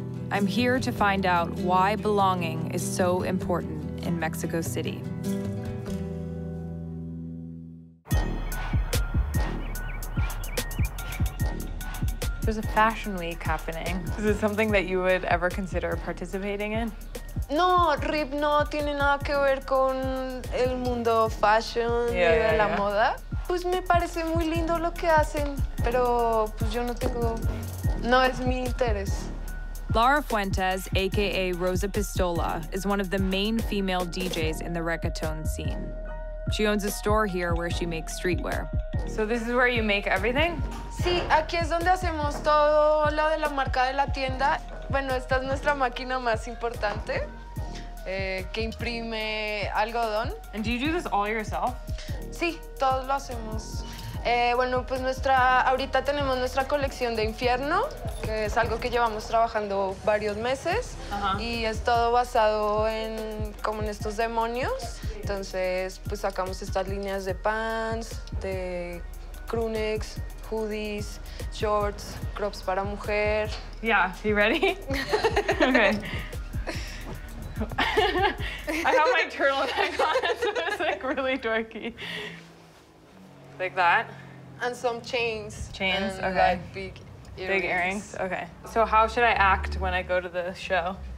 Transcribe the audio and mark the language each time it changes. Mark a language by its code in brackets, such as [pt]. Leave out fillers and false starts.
[en] I'm here to find out why belonging is so important in Mexico City. There's a fashion week happening. Is this something that you would ever consider participating in? [es] No, RIP no tiene nada que ver con el mundo fashion y de la moda. Pues me parece muy lindo lo que hacen, pero pues yo no tengo, no es mi interés. [en] Lara Fuentes, aka Rosa Pistola, is one of the main female DJs in the reggaeton scene. She owns a store here where she makes streetwear. So this is where you make everything? [es] Sí, aquí es donde hacemos todo lo de la marca de la tienda. Bueno, esta es nuestra máquina más importante, que imprime algodón. [en] And do you do this all yourself? [es] Sí, todos lo hacemos. Bueno, pues nuestra, ahorita tenemos nuestra colección de infierno, que es algo que llevamos trabajando varios meses. Uh-huh. Y es todo basado en, como en estos demonios. Entonces, pues sacamos estas líneas de pants, de crewnecks, hoodies, shorts, crops para mujer. [en] Yeah, you ready? Okay. I have my turtleneck on, so it's like really dorky. Like that? And some chains. Chains, and, okay. Like, big earrings. Big earrings, okay. So how should I act when I go to the show?